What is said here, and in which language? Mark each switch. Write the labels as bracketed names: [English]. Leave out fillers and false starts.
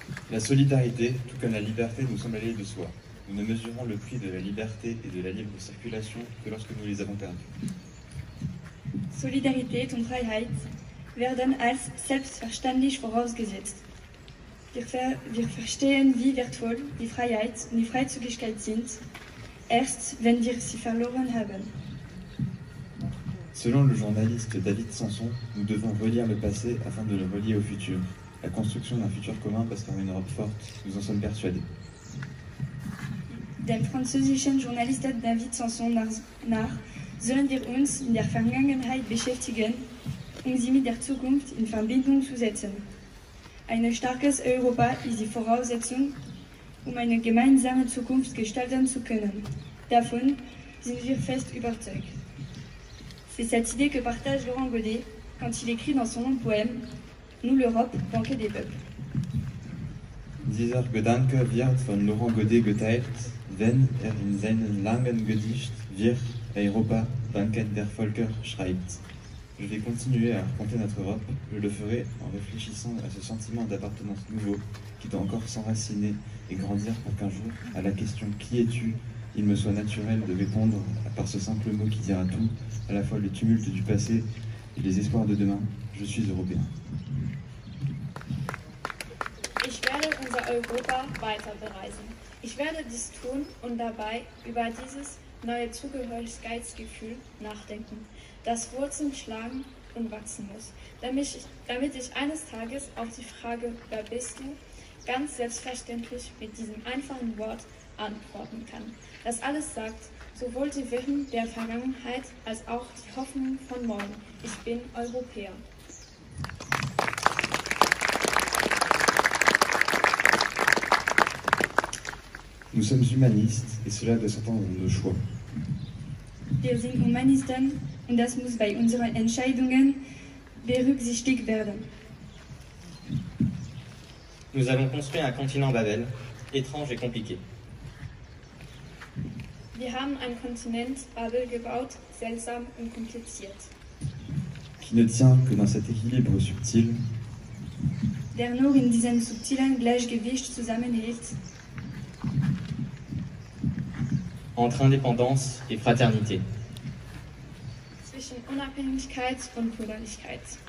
[French] La solidarité, tout comme la liberté, nous sommes allés de soi. Nous ne mesurons le prix de la liberté et de la libre circulation que lorsque nous les avons perdus. [German] Solidarité und Freiheit werden als selbstverständlich vorausgesetzt. Wir verstehen, wie wertvoll die Freiheit und die Freizügigkeit sind, erst wenn wir sie verloren haben. [French] Selon le journaliste David Sanson, nous devons relire le passé afin de le relier au futur. La construction d'un futur commun passe par une Europe forte, nous en sommes persuadés. [German] Dem französischen Journalisten David Sanson nach sollen wir uns in der Vergangenheit beschäftigen, um sie mit der Zukunft in Verbindung zu setzen. Ein starkes Europa ist die Voraussetzung, um eine gemeinsame Zukunft gestalten zu können. Davon sind wir fest überzeugt. [French] C'est cette idée que partage Laurent Godet quand il écrit dans son long poème « Nous, l'Europe, banquet des peuples ». [German] Dieser Gedanke wird von Laurent Godet geteilt, wenn in seinem langen Gedicht wir Europa, banquet der Völker schreibt. [French] Je vais continuer à raconter notre Europe. Je le ferai en réfléchissant à ce sentiment d'appartenance nouveau qui doit encore s'enraciner et grandir pour qu'un jour, à la question « Qui es-tu ?», il me soit naturel de répondre par ce simple mot qui dira tout, à la fois le tumulte du passé et les espoirs de demain. Je suis européen. [German] Ich werde unser Europa weiter bereisen. Ich werde dies tun und dabei über dieses neue Zugehörigkeitsgefühl nachdenken, das Wurzeln schlagen und wachsen muss, damit ich eines Tages auf die Frage, wer bist du, ganz selbstverständlich mit diesem einfachen Wort antworten kann. Das alles sagt sowohl die Wirren der Vergangenheit als auch die Hoffnung von morgen. Ich bin Europäer. [French] Nous sommes humanistes et cela doit s'entendre dans nos choix. [German] Wir sind Humanisten und das muss bei unseren Entscheidungen berücksichtigt werden. [French] Nous allons construire un continent Babel, étrange et compliqué. [German] Wir haben ein Kontinent Babel gebaut, seltsam und kompliziert. [French] Qui ne tient que dans cet équilibre subtil. [German] Der nur in diesem subtilen Gleichgewicht zusammenhält. [French] Entre indépendance et fraternité. [German] Zwischen Unabhängigkeit und Brüderlichkeit.